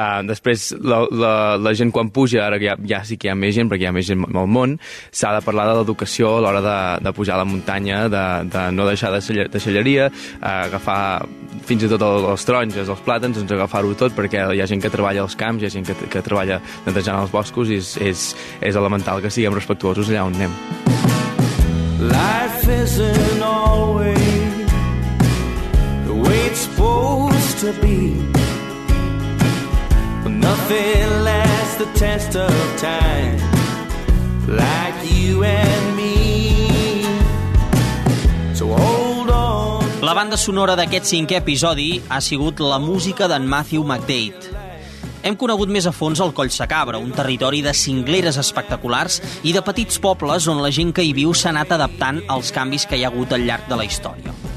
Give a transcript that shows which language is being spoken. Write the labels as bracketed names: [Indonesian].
[Catalan] Després, la gent quan puja, ara que ja sí que hi ha més gent, perquè hi ha més gent al món, s'ha de parlar de l'educació a l'hora de pujar a la muntanya, de no deixar de xelleria, agafar fins i tot els taronges, els plàtans, doncs agafar-ho tot, perquè hi ha gent que treballa als camps, hi ha gent que treballa netejant els boscos, i és elemental que siguem respectuosos allà on anem. [English] Life isn't always the way it's supposed to be. But nothing lasts the test of time like you and me. So hold on. [Catalan] La banda sonora d'aquest cinquè episodi ha sigut la música d'en Matthew McDade. Hem conegut més a fons el Collsacabra, un territori de cingleres espectaculars i de petits pobles on la gent que hi viu s'ha anat adaptant als canvis que hi ha hagut al llarg de la història.